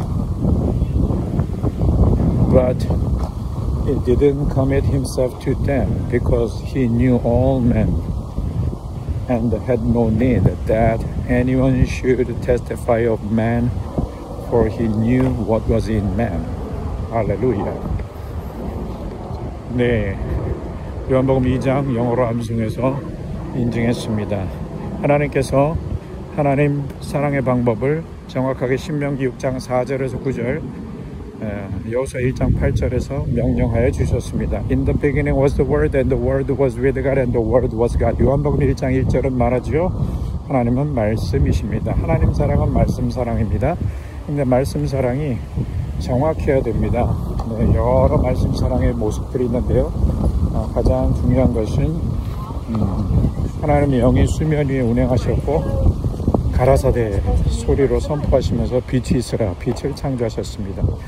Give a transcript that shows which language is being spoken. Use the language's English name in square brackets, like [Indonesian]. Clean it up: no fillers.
[English] But he didn't commit himself to them, because he knew all men and had no need that anyone should testify of man, for he knew what was in man. Hallelujah. [Korean] 네, 요한복음 2장 영어로 암송해서 인증했습니다. 하나님께서 하나님 사랑의 방법을 정확하게 신명기 6장 4절에서 9절 여호수아 1장 8절에서 명령하여 주셨습니다. [English] In the beginning was the word and the word was with God and the word was God. [Korean] 요한복음 1장 1절은 말하죠. 하나님은 말씀이십니다. 하나님 사랑은 말씀 사랑입니다. 근데 말씀 사랑이 정확해야 됩니다. 네, 여러 말씀 사랑의 모습들이 있는데요. 가장 중요한 것은 하나님의 영이 수면 위에 운행하셨고 가라사대 소리로 선포하시면서 빛이 있으라 빛을 창조하셨습니다.